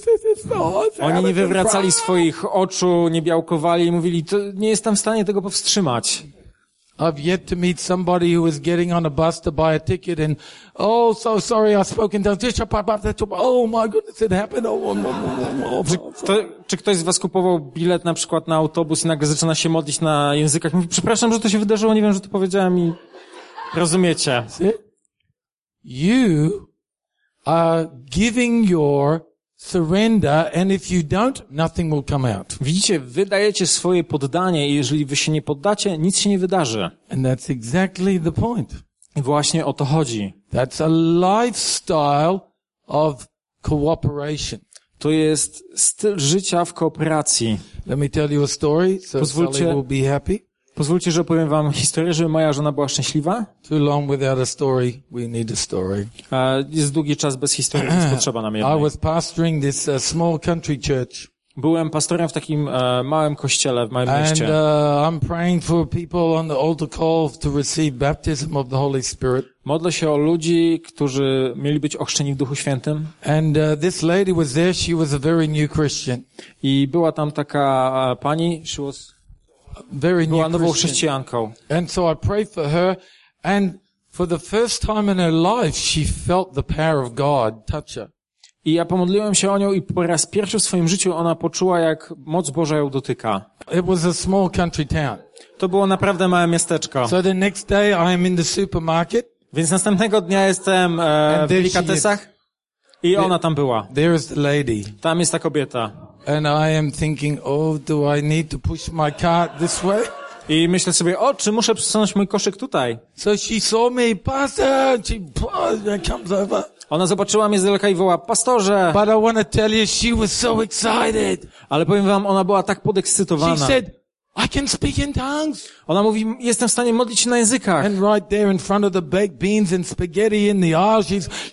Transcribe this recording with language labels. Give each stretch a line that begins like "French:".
English: This is so awesome.
Polish: Oni nie wywracali swoich oczu, nie białkowali i mówili, to nie jestem w stanie tego powstrzymać.
English: I've yet to meet somebody who is getting on a bus to buy a ticket and oh, so sorry, I spoke in tongues. Oh my goodness, it happened. Oh, oh, oh, oh, oh, oh.
Polish: Czy ktoś z was kupował bilet na przykład na autobus i nagle zaczyna się modlić na językach? Mówi, przepraszam, że to się wydarzyło, nie wiem, że to powiedziałem i rozumiecie.
English: You are giving your surrender, and if you don't, nothing will come out.
Polish: Widzicie, wy dajecie swoje poddanie, i jeżeli wy się nie poddacie, nic się nie wydarzy.
English: And that's exactly the point.
Polish: I właśnie o to chodzi.
English: That's a lifestyle of cooperation.
Polish: To jest styl życia w kooperacji.
English: Let me tell you a story, so Sally will be happy.
Polish: Pozwólcie, że opowiem wam historię, żeby moja żona była szczęśliwa.
English: Too long without a story, we need a story.
Polish: Jest długi czas bez historii, więc potrzeba nam jednej.
English: I was pastoring this small country church.
Polish: Byłem pastorem w takim małym kościele w moim mieście.
English: And I'm praying for people on the altar call to receive baptism of the Holy Spirit.
Polish: Modlę się o ludzi, którzy mieli być ochrzczeni w Duchu Świętym.
English: And this lady was there, she was a very new Christian.
Polish: I była tam taka pani,
English: she was very new Christian. And so I prayed for her, and for the first time in her life, she felt the power of God touch her.
Polish: I ja pomodliłem się o nią i po raz pierwszy w swoim życiu ona poczuła, jak moc Boża ją dotyka.
English: It was a small country town.
Polish: To było naprawdę małe miasteczko.
English: So the next day I am in the supermarket.
Polish: Więc następnego dnia jestem w delikatesach i ona tam była.
English: There is the lady.
Polish: Tam jest ta kobieta.
English: And I am thinking, oh, do I need to push my cart this way?
Polish: I myślę sobie, o, czy muszę przesunąć mój koszyk tutaj?
English: So she saw me, pastor, she comes over.
Polish: Ona zobaczyła mnie z daleka i woła, pastorze.
English: But I want to tell you, she was so excited.
Polish: Ale powiem wam, ona była tak podekscytowana.
English: She said, I can speak in tongues.
Polish: Ona mówi, jestem w stanie modlić się na językach.
English: And right there in front of the baked beans and spaghetti in the aisle, she's.